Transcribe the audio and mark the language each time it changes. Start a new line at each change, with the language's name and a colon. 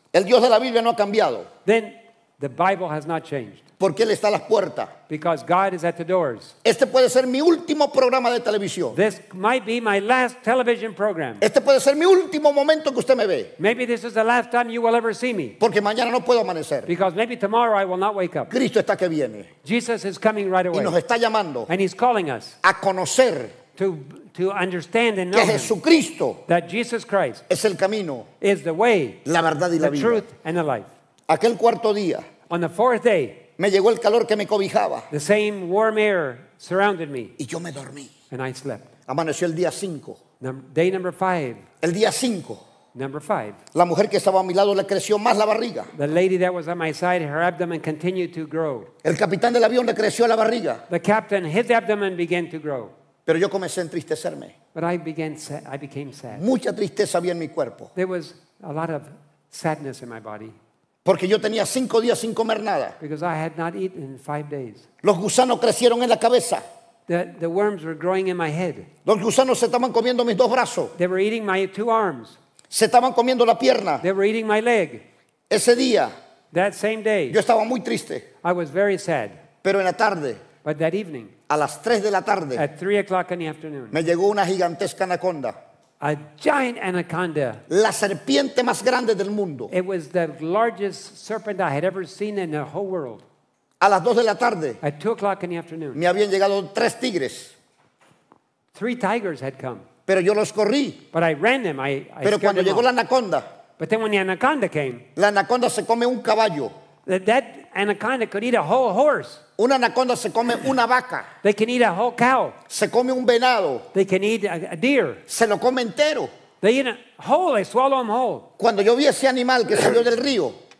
Spanish: El Dios de la Biblia no ha cambiado.
English: Then the Bible has not changed.
Spanish: Porque él está a las puertas.
English: Because God is at the doors.
Spanish: Este puede ser mi último programa de televisión.
English: This might be my last television program.
Spanish: Este puede ser mi último momento que usted me ve.
English: Maybe this is the last time you will ever see me.
Spanish: Porque mañana no puedo amanecer.
English: Because maybe tomorrow I will not wake up.
Spanish: Cristo está que viene.
English: Jesus is coming right away.
Spanish: Y nos está llamando.
English: And he's calling us.
Spanish: A conocer.
English: To understand and know
Spanish: que Jesucristo
English: him, that Jesus Christ
Spanish: es el camino,
English: is the way,
Spanish: la verdad y
English: the
Spanish: la vida.
English: Truth and the life.
Spanish: Aquel cuarto día,
English: on the fourth day,
Spanish: me llegó el calor que me cobijaba,
English: the same warm air surrounded me,
Spanish: y yo me dormí.
English: And I slept.
Spanish: Amaneció el día cinco.
English: Day number five.
Spanish: El día cinco.
English: Number five.
Spanish: La mujer que estaba a mi lado le creció más la barriga.
English: The lady that was on my side, her abdomen continued to grow.
Spanish: El capitán del avión le creció la barriga.
English: The captain, his abdomen began to grow.
Spanish: Pero yo comencé a entristecerme.
English: But I became sad.
Spanish: Mucha tristeza había en mi cuerpo.
English: There was a lot of sadness in my body.
Spanish: Porque yo tenía cinco días sin comer nada.
English: Because I had not eaten in 5 days.
Spanish: Los gusanos crecieron en la cabeza.
English: The worms were growing in my head.
Spanish: Los gusanos se estaban comiendo mis dos brazos.
English: They were eating my two arms.
Spanish: Se estaban comiendo la pierna.
English: They were eating my leg.
Spanish: Ese día.
English: That same day.
Spanish: Yo estaba muy triste.
English: I was very sad.
Spanish: Pero en la tarde.
English: But that evening.
Spanish: A las 3 de la tarde.
English: At 3 o'clock in the afternoon.
Spanish: Me llegó una gigantesca anaconda.
English: A giant anaconda.
Spanish: La serpiente más grande del mundo.
English: It was the largest serpent I had ever seen in the whole world.
Spanish: A las 2 de la tarde.
English: At 2 o'clock in the afternoon.
Spanish: Me habían llegado 3 tigres.
English: 3 tigers had come.
Spanish: Pero yo los corrí.
English: But I ran them. I
Spanish: pero cuando llegó
English: off.
Spanish: La anaconda.
English: But then when the anaconda came.
Spanish: La anaconda se come un caballo.
English: That anaconda could eat a whole horse.
Spanish: Una anaconda se come una vaca.
English: They can eat a whole cow.
Spanish: Se come un venado.
English: They can eat a deer.
Spanish: Se lo come entero.
English: They eat a whole, they swallow them whole.
Spanish: Cuando yo vi ese animal que salió del río,